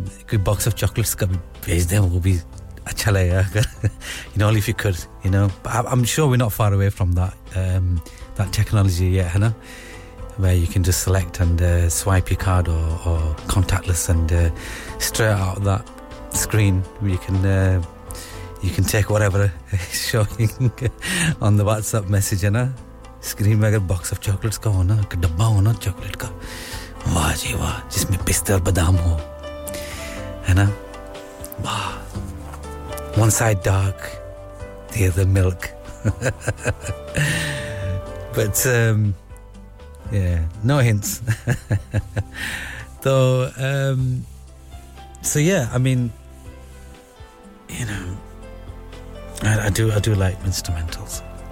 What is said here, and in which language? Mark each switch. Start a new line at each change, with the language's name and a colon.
English: good box of chocolates
Urdu: کا بھیجدے وہ بھی اچھا لگے گا۔
English: You know, if you could, you know. But I'm sure we're not far away from that that technology yet, hana, where you can just select and swipe your card or contactless, and straight out of that screen you can take whatever is showing on the WhatsApp message, hana.
Urdu: Screen میں اگر box of chocolates کا ہو نا، ایک ڈبہ ہو نا chocolate کا، واہ جی واہ، جسمے پستول بادام ہو، ہے نا، واہ،
English: one side dark, the other milk. But yeah, no hints. So so yeah, I mean, you know, I do like instrumentals.